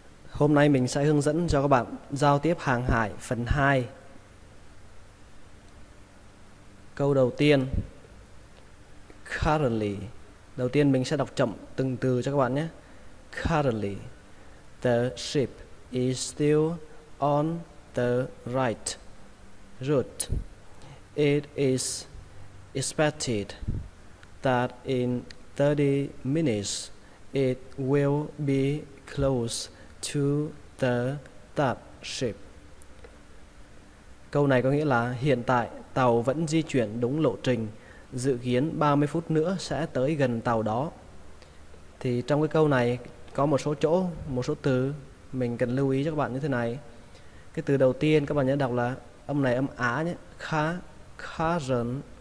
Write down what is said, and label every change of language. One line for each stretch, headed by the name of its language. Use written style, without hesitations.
Vietnamese: Hôm nay mình sẽ hướng dẫn cho các bạn giao tiếp hàng hải phần 2. Câu đầu tiên, currently. Đầu tiên mình sẽ đọc chậm từng từ cho các bạn nhé.
English: Currently, the ship is still on the right route. It is expected that in 30 minutes, it will be close to the that ship.
Vietnamese: Câu này có nghĩa là hiện tại tàu vẫn di chuyển đúng lộ trình, dự kiến 30 phút nữa sẽ tới gần tàu đó. Thì trong cái câu này có một số chỗ, một số từ mình cần lưu ý cho các bạn như thế này. Cái từ đầu tiên các bạn nhớ đọc là âm này âm á nhé, khá, khá rần.